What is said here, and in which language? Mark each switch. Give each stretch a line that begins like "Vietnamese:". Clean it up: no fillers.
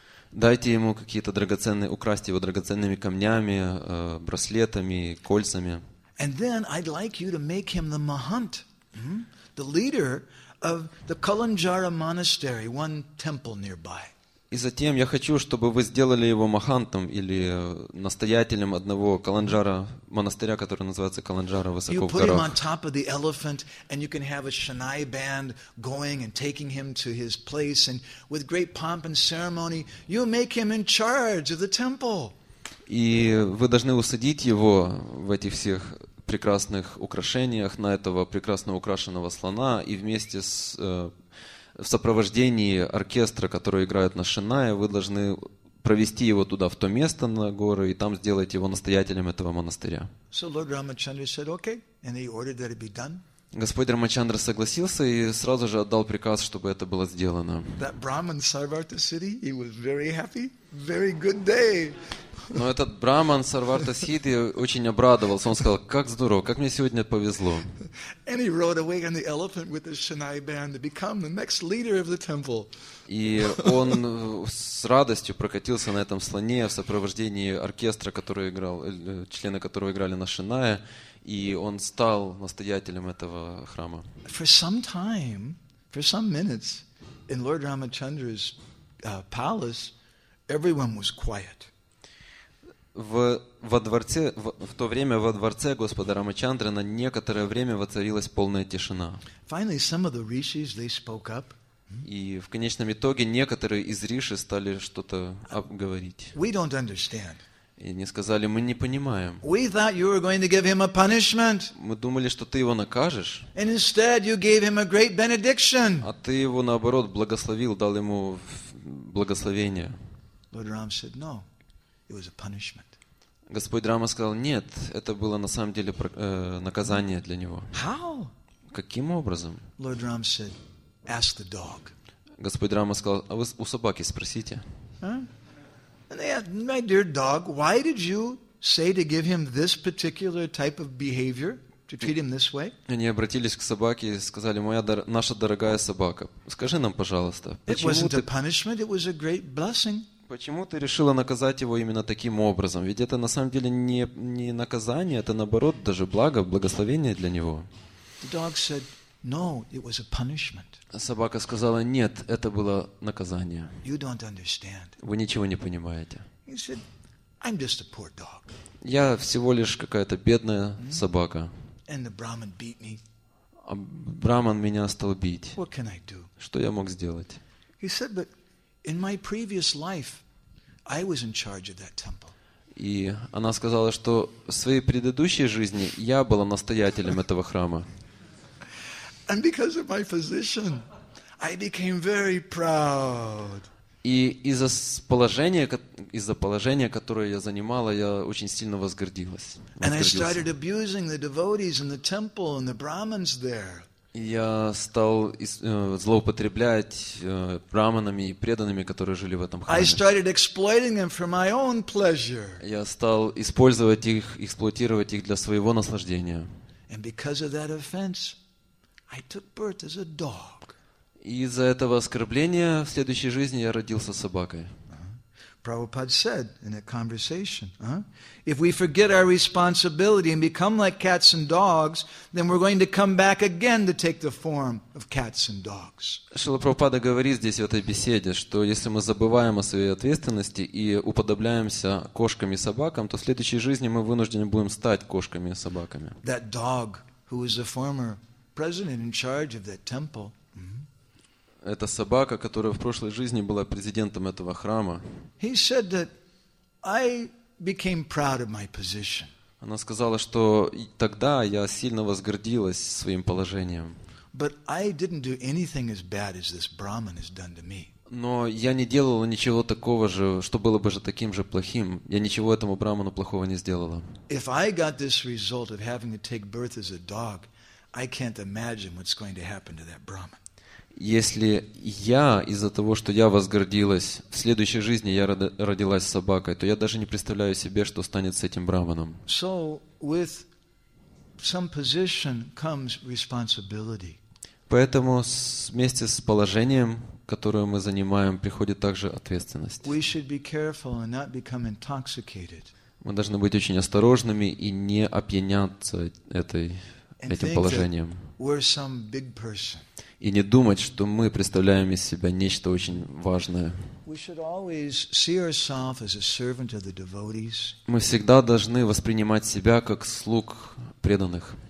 Russian: Дайте ему какие-то драгоценные, украсть его драгоценными камнями, браслетами, кольцами.
English: And then I'd like you to make him the Mahant, the leader of the Kalanjara monastery, one temple nearby.
Russian: И затем я хочу, чтобы вы сделали его Махантом или настоятелем одного Каланджара монастыря, который называется Каланджара высоко в горах.
English: You put him on top of the elephant and you can have a Chennai band going and taking him to his place and with great pomp and ceremony, you make him in charge of the temple.
Russian: И вы должны усадить его в этих всех прекрасных украшениях на этого прекрасно украшенного слона и вместе с в сопровождении оркестра, который играет на шинае, вы должны провести его туда, в то место на горы, и там сделать его настоятелем этого монастыря.
English: So Lord Ramachandra said, okay, and he ordered that it be done.
Russian: Господь Рамачандра согласился и сразу же отдал приказ, чтобы это было сделано.
English: That Brahman Sarvarta Siddhi, he was very happy, very good day.
Russian: Но этот Браман Сарварта Сидхи очень обрадовался. Он сказал, как здорово, как мне сегодня повезло.
English: And he rode away on the elephant with the Chennai band to become the next leader of the temple.
Russian: И он с радостью прокатился на этом слоне в сопровождении оркестра, который играл, члены которого играли на шинае, и он стал настоятелем этого храма.
English: For some time, for some minutes, in Lord Ramachandra's palace, everyone was quiet.
Russian: во дворце, в то время во дворце Господа Рамачандры на некоторое время воцарилась полная тишина.
English: Finally, some of the rishis, they spoke up.
Russian: И в конечном итоге некоторые из риши стали что-то говорить.
English: We don't understand.
Russian: И они сказали, мы не понимаем.
English: We thought you were going to give him a punishment.
Russian: Мы думали, что ты его накажешь.
English: And instead you gave him a great benediction.
Russian: А ты его наоборот благословил, дал ему благословение.
English: Lord Ram said, no, it was a punishment.
Russian: Господь Рама сказал, нет, это было на самом деле наказание для него.
English: How?
Russian: Каким образом?
English: Lord Ram said, ask the dog.
Russian: Господь Рама сказал, а вы у собаки спросите.
English: And they asked, my dear dog, why did you say to give him this particular type of behavior, to treat him this way?
Russian: Они обратились к собаке и сказали, наша дорогая собака, скажи нам, пожалуйста, почему ты...
English: It wasn't a punishment, it was a great blessing.
Russian: Почему ты решила наказать его именно таким образом? Ведь это на самом деле не наказание, это наоборот даже благо, благословение для него.
English: The dog said, no, it was a punishment.
Russian: Собака сказала, нет, это было наказание.
English: You don't understand.
Russian: Вы ничего не понимаете.
English: He said, I'm just a poor dog.
Russian: Я всего лишь какая-то бедная собака.
English: And the Brahman beat me.
Russian: А Брахман меня стал бить.
English: What can I do?
Russian: Что я мог сделать?
English: He said, but in my previous life, I was in charge of that temple.
Russian: И она сказала, что в своей предыдущей жизни я была настоятелем этого храма.
English: And because of my position, I became very proud.
Russian: И из-за положения, которое я занимала, я очень сильно возгордилась.
English: And I started abusing the devotees in the temple and the brahmins there.
Russian: Я стал злоупотреблять браманами и преданными, которые жили в этом храме.
English: I started exploiting them for my own pleasure.
Russian: Я стал эксплуатировать их для своего наслаждения.
English: And because of that offense, I took birth as a dog.
Russian: И из-за этого оскорбления в следующей жизни я родился собакой.
English: Prabhupada said in a conversation, if we forget our responsibility and become like cats and dogs, then we're going to come back again to take the form of cats and dogs.
Russian: Шрила Прабхупада говорит здесь в этой беседе, что если мы забываем о своей ответственности и уподобляемся кошкам и собакам, то в следующей жизни мы вынуждены будем стать кошками и собаками.
English: That dog, who was the former president in charge of that temple,
Russian: эта собака, которая в прошлой жизни была президентом этого храма,
English: he said that I became proud of my position.
Russian: Она сказала, что тогда я сильно возгордилась своим положением.
English: But I didn't do anything as bad as this Brahman has done to me.
Russian: Но я не делала ничего такого же, что было бы же таким же плохим. Я ничего этому Брахману плохого не сделала.
English: If I got this result of having to take birth as a dog, I can't imagine what's going to happen to that Brahman.
Russian: Если я из-за того, что я возгордилась, в следующей жизни я родилась собакой, то я даже не представляю себе, что станет с этим брахманом.
English: So, with some position comes responsibility.
Russian: Поэтому вместе с положением, которое мы занимаем, приходит также ответственность.
English: We should be careful and not become intoxicated.
Russian: Мы должны быть очень осторожными и не опьяняться этим положением.
English: We're some big person.
Russian: И не думать, что мы представляем из себя нечто очень важное. Мы всегда должны воспринимать себя как слуг преданных.